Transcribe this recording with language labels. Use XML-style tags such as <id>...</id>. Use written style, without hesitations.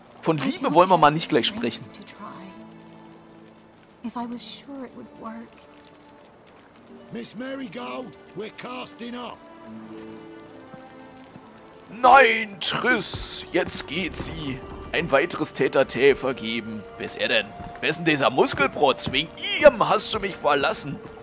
<de>Von Liebe wollen wir mal nicht gleich sprechen.</de> <en>If I was sure it would work. Miss Marigold, we're casting off.</en> <de>Nein, Triss, jetzt geht sie. Ein weiteres Tete-a-Tete vergeben. Wer ist er denn? Wer ist denn dieser Muskelprotz? Wegen ihm hast du mich verlassen.</de>